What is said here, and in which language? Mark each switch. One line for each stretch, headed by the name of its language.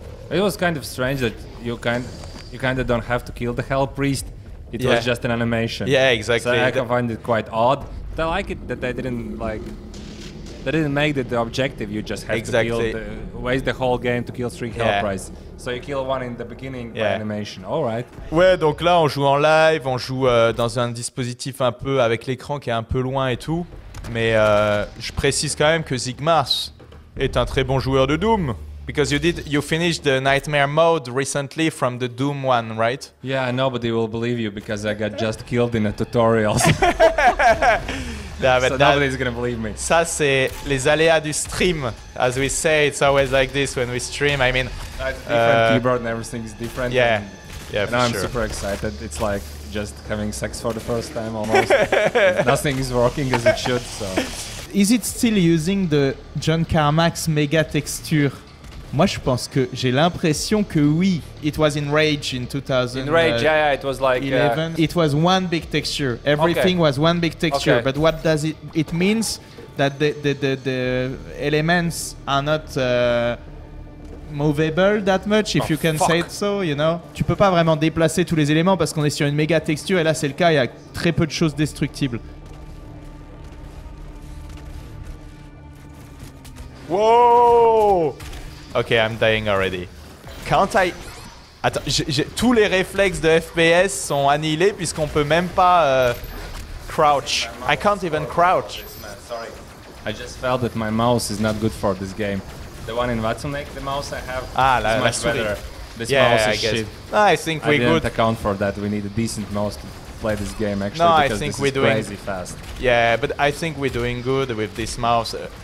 English: It was kind of strange that you kind of don't have to kill the Hell Priest. It yeah. was just an animation. Yeah, exactly. So I can find it quite odd. But I like it that they didn't make it the objective. You just have exactly. to kill waste the whole game to kill three yeah. Hell Priests. So you kill one in the beginning yeah. by animation. All right.
French: Ouais, donc là on joue en live, on joue dans un dispositif un peu avec l'écran qui est un peu loin et tout. Mais je précise quand même que Zygmas est un très bon joueur de Doom.
English: Because you finished the nightmare mode recently from the Doom one, right? Yeah, nobody will believe you because I got just killed in a tutorial. nobody's gonna believe me.
French: Ça c'est les aléas du stream.
English: As we say, it's always like this when we stream. I mean, it's different keyboard and everything is different. Yeah, and for I'm sure. super excited. It's like just having sex for the first time almost. Nothing is working as it should. So, is it still using the John Carmack's mega texture?
French: Moi, je pense que j'ai l'impression que oui.
English: It was in Rage in 2011. In Rage, it was like 11. It was one big texture. Everything was one big texture. Okay. But what does it? It means that the elements are not movable that much, if you can say it so. You know,
French: tu peux pas vraiment déplacer tous les éléments parce qu'on est sur une méga texture. Et là, c'est le cas. Il y a très peu de choses destructibles.
English: Whoa! Okay, I'm dying already. Can't I...
French: Attends, j'ai... tous les réflexes de FPS sont annihilés puisqu'on peut même pas crouch.
English: I can't even crouch. Sorry. I just felt that my mouse is not good for this game. The one in Vatsunek, the mouse I have, is much better. This mouse is shit. I think we're good. I didn't account for that. We need a decent mouse to play this game, actually, no, because I think this we're is doing... crazy fast. Yeah, but I think we're doing good with this mouse.